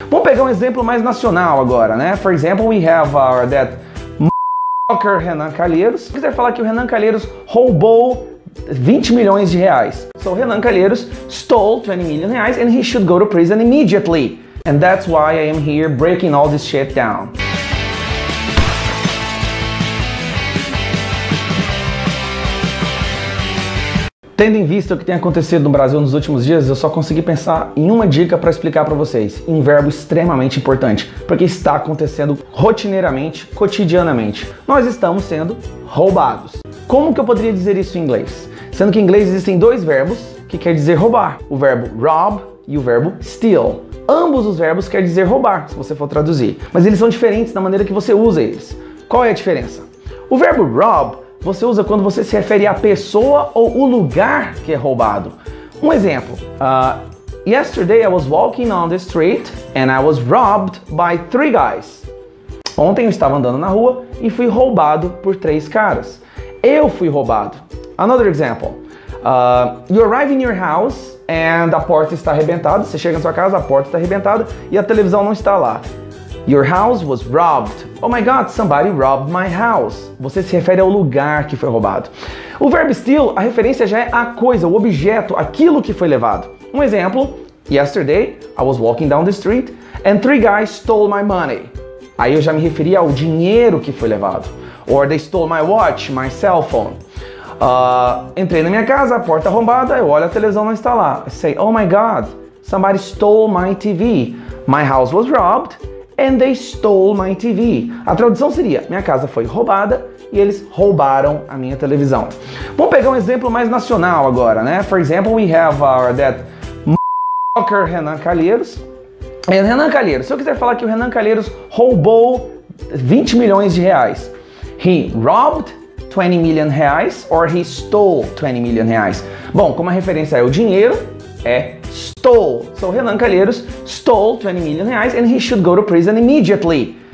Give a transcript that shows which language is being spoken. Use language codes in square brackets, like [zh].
[pt] Vamos pegar um exemplo mais nacional agora, né? [en] For example, we have our that fucker Renan Calheiros. [pt] Se quiser falar que o Renan Calheiros roubou 20 milhões de reais. [en] So Renan Calheiros stole 20 million reais and he should go to prison immediately. And that's why I am here breaking all this shit down. [pt] Tendo em vista o que tem acontecido no Brasil nos últimos dias, eu só consegui pensar em uma dica para explicar para vocês. Um verbo extremamente importante, porque está acontecendo rotineiramente, cotidianamente. Nós estamos sendo roubados. Como que eu poderia dizer isso em inglês? Sendo que em inglês existem dois verbos que quer dizer roubar. O verbo rob e o verbo steal. Ambos os verbos quer dizer roubar, se você for traduzir. Mas eles são diferentes na maneira que você usa eles. Qual é a diferença? O verbo rob você usa quando você se refere à pessoa ou o lugar que é roubado. Um exemplo. [en] Yesterday I was walking on the street and I was robbed by three guys. [pt] Ontem eu estava andando na rua e fui roubado por três caras. Eu fui roubado. [en] Another example. You arrive in your house and [pt] a porta está arrebentada. Você chega na sua casa, a porta está arrebentada e a televisão não está lá. [en] Your house was robbed. Oh my God, somebody robbed my house. [pt] Você se refere ao lugar que foi roubado. O verbo steal, a referência já é a coisa, o objeto, aquilo que foi levado. Um exemplo, [en] yesterday I was walking down the street and three guys stole my money. [pt] Aí eu já me referia ao dinheiro que foi levado. [en] Or they stole my watch, my cell phone. [pt] Entrei na minha casa, a porta arrombada, eu olho a televisão não está lá. [en] I say, oh my God, somebody stole my TV. My house was robbed and they stole my TV. [pt] A tradução seria, minha casa foi roubada e eles roubaram a minha televisão. Vamos pegar um exemplo mais nacional agora, né? [en] For example, we have our that fucker Renan Calheiros. [pt] And Renan Calheiros, se eu quiser falar que o Renan Calheiros roubou 20 milhões de reais. [en] He robbed 20 million reais or he stole 20 million reais. [pt] Bom, como a referência é o dinheiro, é stole. [en] So Renan Calheiros stole 20 million reais and he should go to prison immediately.